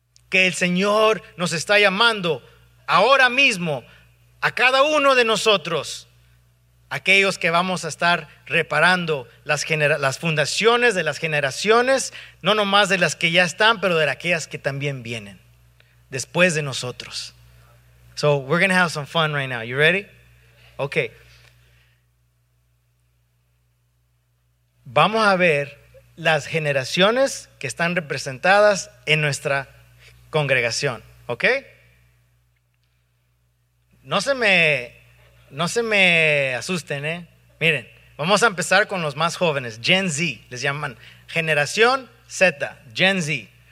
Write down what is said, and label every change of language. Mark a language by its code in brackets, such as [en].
[es] Que el Señor nos está llamando ahora mismo a cada uno de nosotros, aquellos que vamos a estar reparando las fundaciones de las generaciones, no nomás de las que ya están, pero de aquellas que también vienen después de nosotros. [en] So we're going to have some fun right now. You ready? Okay. [es] Vamos a ver las generaciones que están representadas en nuestra congregación. Okay? No se me asusten, ¿eh? Miren, vamos a empezar con los más jóvenes. Gen Z, les llaman Generación Z, Gen Z.